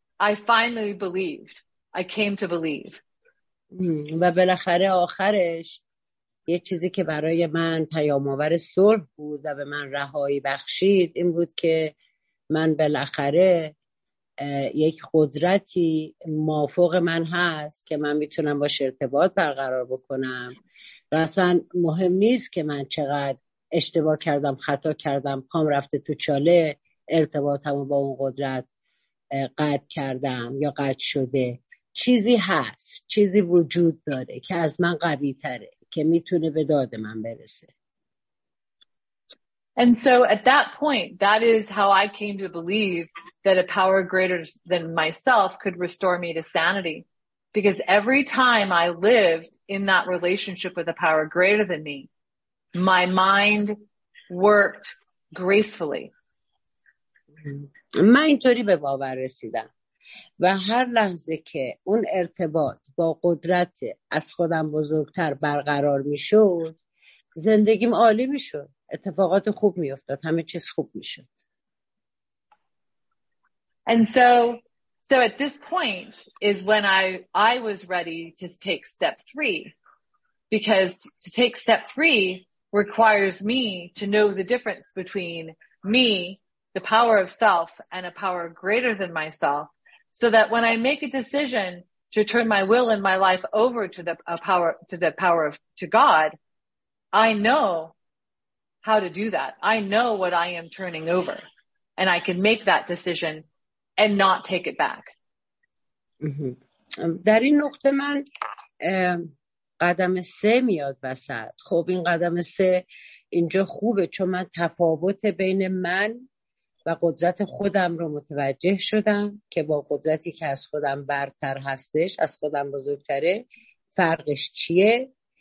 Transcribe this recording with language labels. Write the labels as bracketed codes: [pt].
[en] I finally believed. I came to believe. [fa] و بالاخره آخرش یه چیزی که برای من پیام‌آور صلح بود و به من رهایی بخشید این بود که من بالاخره یک قدرتی مافوق من هست که من میتونم باش ارتباط برقرار بکنم و اصلا مهم نیست که من چقدر اشتباه کردم، خطا کردم، پام رفته تو چاله، ارتباطمو با اون قدرت قطع کردم یا قطع شده. چیزی هست، چیزی وجود داره که از من قوی تره که میتونه به داد من برسه. [en] And so at that point, that is how I came to believe that a power greater than myself could restore me to sanity. Because every time I lived in that relationship with a power greater than me, my mind worked gracefully. [fa] من اینطوری به باور رسیدم. و هر لحظه که اون ارتباط با قدرت از خودم بزرگتر برقرار می شد زندگیم عالی می شد، اتفاقات خوب می افتاد، همه چیز خوب می شد. [en] And so at this point is when I was ready to take step three, because to take step three requires me to know the difference between me, the power of self, and a power greater than myself. So that when I make a decision to turn my will and my life over to the power of God, I know how to do that. I know what I am turning over, and I can make that decision and not take it back. [fa] در این نقطه من قدم سه میاد وسط. خب این قدم سه اینجا خوبه چون من تفاوت بین من و قدرت خودم رو متوجه شدم که با قدرتی که از خودم برتر هستش، از خودم بزرگتره، فرقش چیه.